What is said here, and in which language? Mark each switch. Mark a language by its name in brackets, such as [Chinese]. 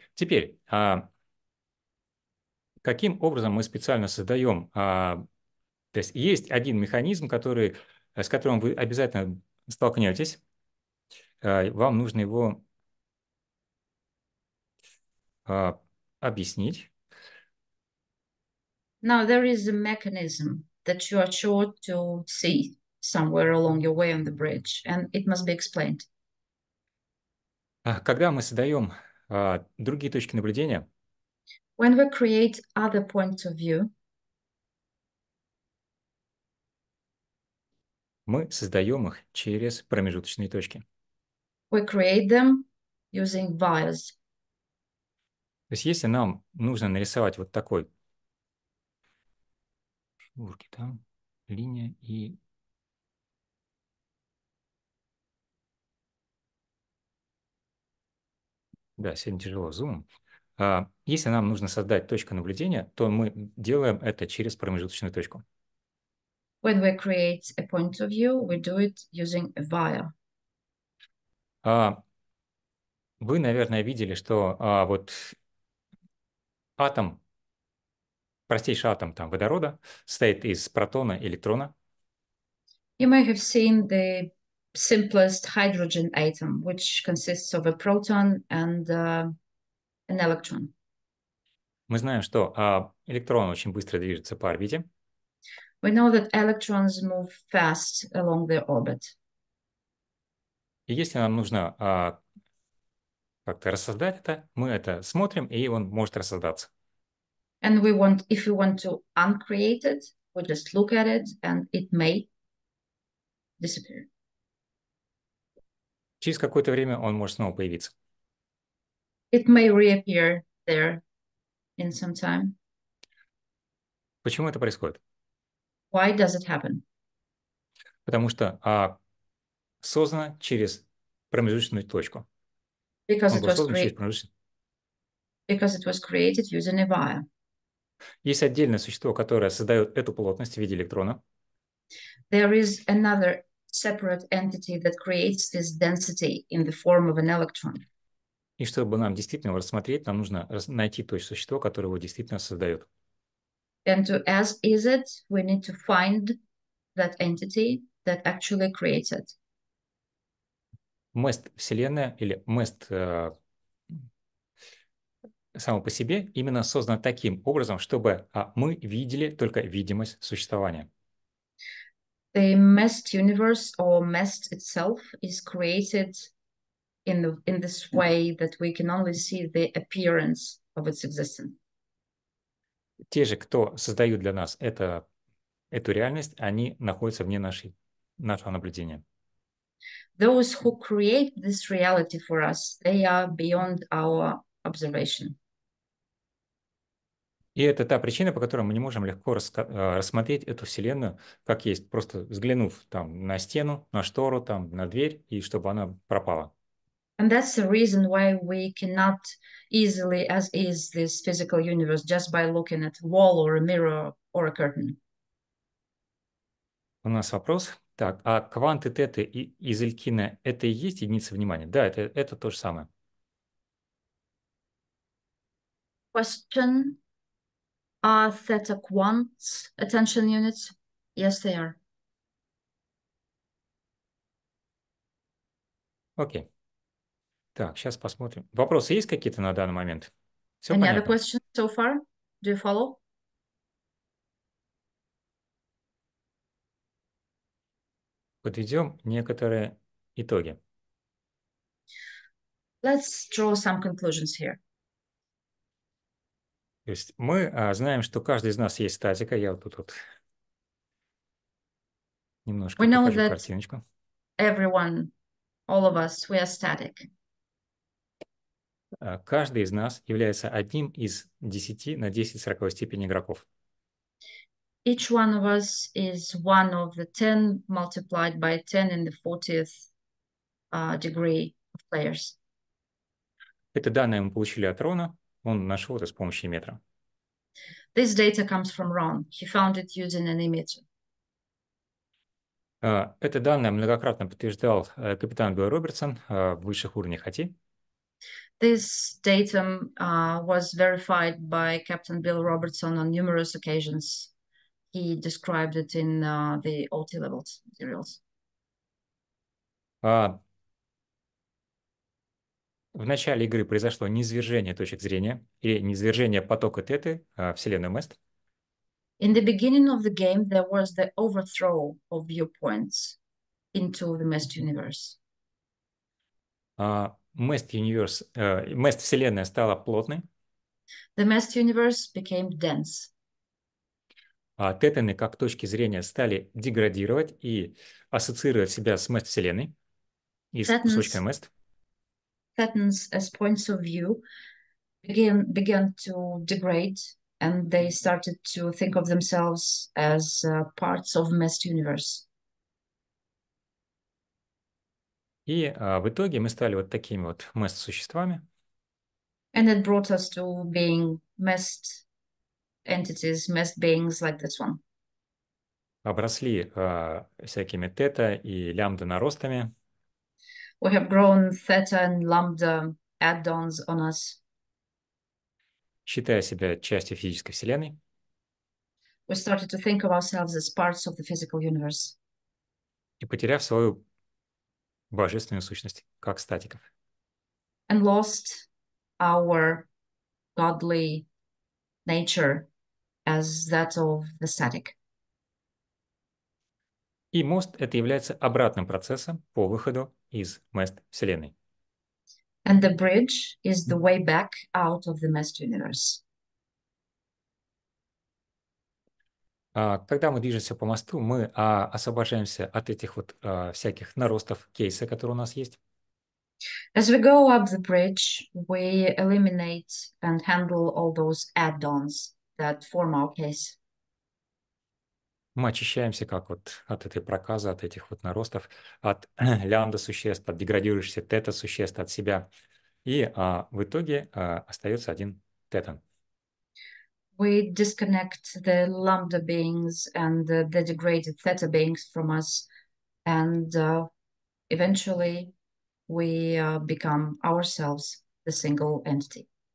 [Russian] Теперь, каким образом мы специально создаем... то есть есть один механизм, который, с которым вы обязательно столкнетесь. Вам нужно его объяснить. [English] Now, there is a mechanism that you are sure to see somewhere along your way on the bridge, and it must be explained. [Russian] Когда мы создаем другие точки наблюдения, [English] when we create other points of view, [Russian] мы создаем их через промежуточные точки. [English] We create them using vias. [Russian] То есть если нам нужно нарисовать вот такой фигурки, там линия и да, сегодня тяжело с зумом. Если нам нужно создать точку наблюдения, то мы делаем это через промежуточную точку. [English] When we create a point of view, we do it using a via. [Russian] Вы, наверное, видели, что вот атом, простейший атом там водорода, состоит из протона и электрона. [English] You may have seen the simplest hydrogen atom, which consists of a proton and an electron. [Russian] Мы знаем, что электрон очень быстро движется по орбите. [English] We know that electrons move fast along their orbit. [Russian] И если нам нужно как-то рассоздать это, мы это смотрим, и он может рассоздаться. [English] And we want, if we want to uncreate it, we just look at it, and it may disappear. [Russian] Через какое-то время он может снова появиться. [English] It may reappear there in some time. [Russian] Почему это происходит? [English] Why does it happen? [Russian] Потому что создано через промежуточную точку. [English] Because [Russian] он [English] it [Russian] был [English] was [Russian] создан через промежуточную. [English] Because it was created using a via. [Russian] Есть отдельное существо, которое создает эту плотность в виде электрона. [English] There is another separate entity that creates this density in the form of an electron. [Russian] И чтобы нам действительно его рассмотреть, нам нужно найти то существо, которое его действительно создает. [English] And to ask, is it, we need to find that entity that actually creates it. [Russian] Мест Вселенная или мест само по себе именно создано таким образом, чтобы мы видели только видимость существования. [English] The messed universe or messed itself is created in this way that we can only see the appearance of its existence. [Russian] Те же, кто создают для нас эту реальность, они находятся вне нашего наблюдения. [English] Those who create this reality for us, they are beyond our observation. [Russian] И это та причина, по которой мы не можем легко рассмотреть эту вселенную, как есть, просто взглянув там на стену, на штору, там, на дверь, и чтобы она пропала. [English] And that's the reason why we cannot easily as is this physical universe just by looking at a wall or a mirror or a curtain. [Russian] У нас вопрос. Так, а кванты теты из Элькина – это и есть единица внимания? Да, это то же самое. [English] Question. Are theta quants attention units? Yes, they are. [Russian] Окей. Так, сейчас посмотрим. Вопросы есть какие-то на данный момент? Все [English] Any [Russian] понятно? [English] Other questions so far? Do you follow? [Russian] Подведем некоторые итоги. [English] Let's draw some conclusions here. [Russian] То есть мы знаем, что каждый из нас есть статика. Я вот тут вот немножко [English] we know [Russian] покажу [English] that [Russian] картиночку. [English] Everyone, all of us, we are static. [Russian] Каждый из нас является одним из 10 на 10 в 40 степени игроков. [English] Each one of us is one of the 10 multiplied by 10 in the 40th degree of players. [Russian] Это данные мы получили от Рона. Он нашел это с помощью метра. [English] This data comes from Ron. He found it using an image. [Russian] Это данное многократно подтверждал капитан Билл Робертсон в высших уровнях IT. [English] This datum was verified by Captain Bill Robertson on numerous occasions. He described it in the OT levels materials. [Russian] В начале игры произошло низвержение точек зрения или низвержение потока теты вселенной Мест. [English] In the beginning of the game, there was the overthrow of viewpoints into the Mest universe. [Russian] Мест вселенная стала плотной. [English] The Mest universe became dense. [Russian] Тетаны как точки зрения стали деградировать и ассоциировать себя с Мест вселенной и с кусочками Мест. [English] Thetans as points of view began to degrade, and they started to think of themselves as parts of Mest universe. [Russian] И в итоге мы стали вот такими вот Мест существами. [English] And it brought us to being messed entities, messed beings like this one. [Russian] Обросли всякими тета и лямбда наростами. [English] We have grown theta and lambda add-ons on us. [Russian] Считая себя частью физической вселенной. [English] We started to think of ourselves as parts of the physical universe. [Russian] И потеряв свою божественную сущность, как статиков. [English] And lost our godly nature as that of the static. [Russian] И мост — это является обратным процессом по выходу из мест Вселенной. [English] And the bridge is the way back out of the messed universe. [Russian] Когда мы движемся по мосту, мы освобождаемся от этих вот всяких наростов кейса, которые у нас есть. [English] As we go up the bridge, we eliminate and handle all those add-ons that form our case. [Russian] Мы очищаемся как вот от этой проказы, от этих вот наростов, от лямбда-существ, от деградирующихся тета-существ, от себя. И в итоге остается один тетан. [English] We disconnect the lambda beings and the degraded theta beings from us, and eventually we become ourselves the single entity.